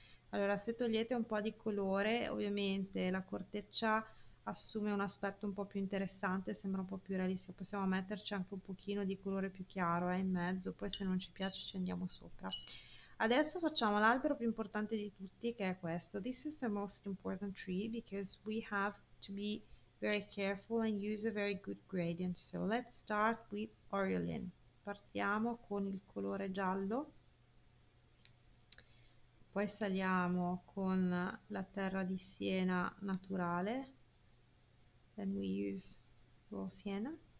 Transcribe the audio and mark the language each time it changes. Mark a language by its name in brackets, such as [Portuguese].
[Italian] Allora, se togliete un po' di colore, ovviamente la corteccia assume un aspetto un po' più interessante, sembra un po' più realistico. Possiamo metterci anche un pochino di colore più chiaro, in mezzo, poi se non ci piace ci andiamo sopra. Adesso facciamo l'albero più importante di tutti, che è questo. [English] This is the most important tree because we have to be very careful and use a very good gradient. So let's start with Aureolin. [Italian] Partiamo con il colore giallo, poi saliamo con la terra di siena naturale. [English] Then we use raw siena.